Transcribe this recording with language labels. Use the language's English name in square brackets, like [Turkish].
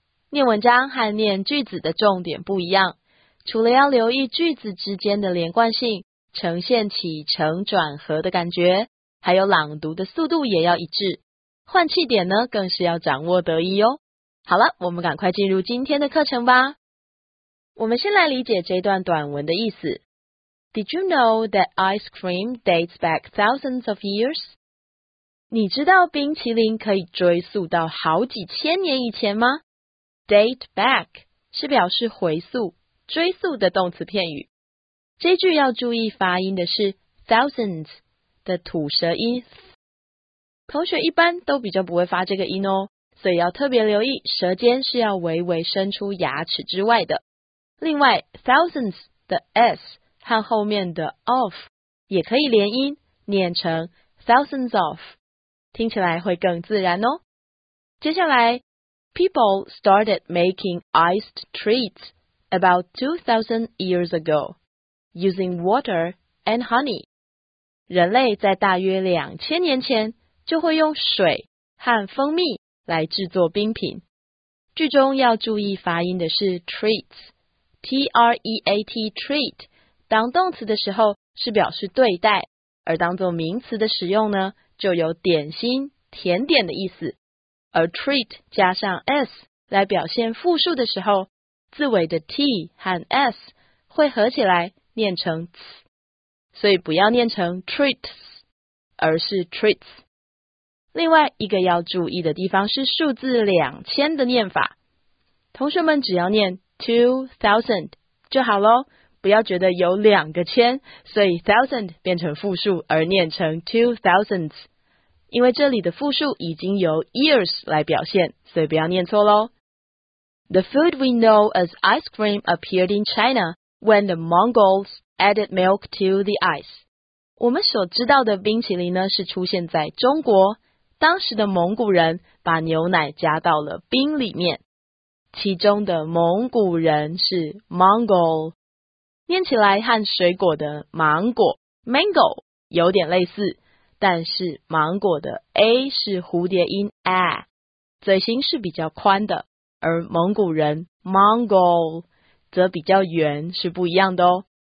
[Chinese] 念文章和念句子的重点不一样，除了要留意句子之间的连贯性，呈现起承转合的感觉，还有朗读的速度也要一致，换气点呢更是要掌握得宜哦。好了，我们赶快进入今天的课程吧。我们先来理解这段短文的意思。 [English] Did you know that ice cream dates back thousands of years? [Chinese] 你知道冰淇淋可以追溯到好几千年以前吗？ Date back 是表示回溯、追溯的动词片语。这句要注意发音的是 thousands 的吐舌音。同学一般都比较不会发这个音哦，所以要特别留意舌尖是要微微伸出牙齿之外的。另外 thousands 的 s 和后面的 of 也可以连音，念成 thousands of， 听起来会更自然哦。接下来 [English] people started making iced treats about 2000 years ago using water and honey。 [Chinese] 人类在大约2000年前就会用水和蜂蜜来制作冰品。句中要注意发音的是 treats，T-R-E-A-T, treat, 当动词的时候是表示对待，而当作名词的使用呢，就有点心、甜点的意思。而 treat 加上 s 来表现复数的时候，字尾的 t 和 s 会合起来念成 ts， 所以不要念成 treats， 而是 treats。另外一个要注意的地方是数字2000的念法，同学们只要念2000 就好咯，不要觉得有两个千，所以 thousand 变成复数而念成 2000s， 因为这里的复数已经由 years 来表现，所以不要念错咯。 [English] The food we know as ice cream appeared in China when the Mongols added milk to the ice。 [Chinese] 我们所知道的冰淇淋呢，是出现在中国，当时的蒙古人把牛奶加到了冰里面，其中的蒙古人是 Mongol， 念起来和水果的芒果 Mango 有点类似，但是芒果的 A 是蝴蝶音 A， 嘴型是比较宽的，而蒙古人 Mongol 则比较圆，是不一样的哦。